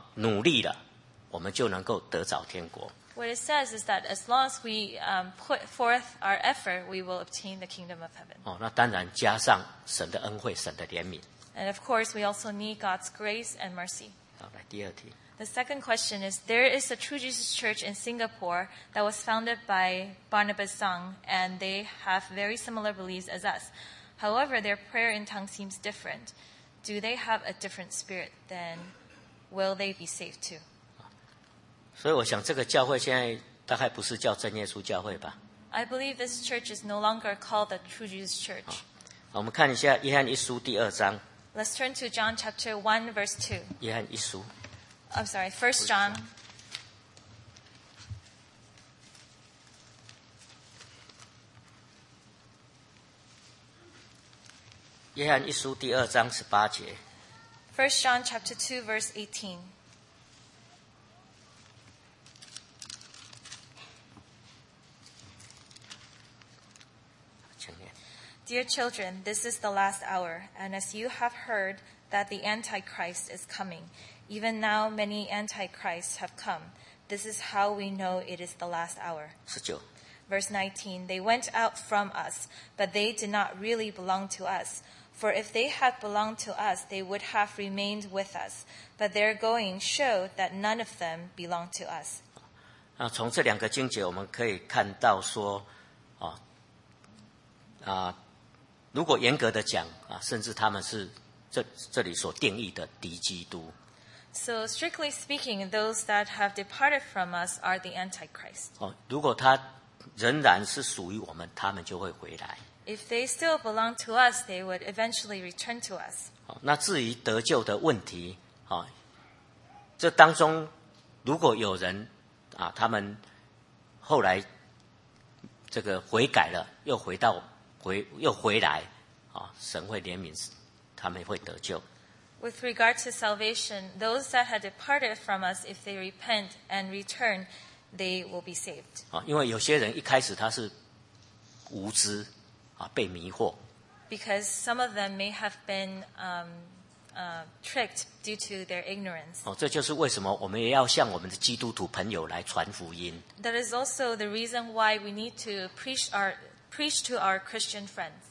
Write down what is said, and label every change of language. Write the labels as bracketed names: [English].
[Chinese] 那这样就只要我们努力了，我们就能够得着天国。 [English] What it says is that as long as we put forth our effort, we will obtain the kingdom of heaven. [Chinese] 那当然加上神的恩惠、神的怜悯。 [English] And of course, we also need God's grace and mercy. [Chinese] 好，来第二题。 [English] The second question is, there is a True Jesus Church in Singapore that was founded by Barnabas Song, and they have very similar beliefs as us. However, their prayer in tongues seems different. Do they have a different spirit? Then will they be saved too? [Chinese] 所以我想这个教会现在大概不是叫真耶稣教会吧。 [English] I believe this church is no longer called the True Jesus Church. [Chinese] 我们看一下约翰一书第二章。 [English] Let's turn to John chapter 1, verse 2. [Chinese] 约翰一书。 [English] I'm sorry, 1 John. [Chinese] 约翰一书第二章18节。 [English] 1 John chapter 2, verse 18. Dear children, this is the last hour, and as you have heard that the Antichrist is coming, even now many Antichrists have come. This is how we know it is the last hour. 19. Verse 19, they went out from us, but they did not really belong to us. For if they had belonged to us, they would have remained with us. But their going showed that none of them belonged to us. [Chinese] 从这两个经节我们可以看到说, 如果严格的讲啊，甚至他们是 这里所定义的敌基督。 [English] So strictly speaking, those that have departed from us are the Antichrist. [Chinese] 哦，如果他仍然是属于我们，他们就会回来。 [English] If they still belong to us, they would eventually return to us. [Chinese] 哦，那至于得救的问题，哦，这当中如果有人啊，他们后来这个悔改了，又回到回来，啊，神会怜悯，他们会得救。 [English] With regard to salvation, those that had departed from us, if they repent and return, they will be saved. [Chinese] 啊，因为有些人一开始他是无知，啊，被迷惑。 [English] Because some of them may have been tricked due to their ignorance. [Chinese] 哦，这就是为什么我们也要向我们的基督徒朋友来传福音。 [English] That is also the reason why we need to preach to our Christian friends.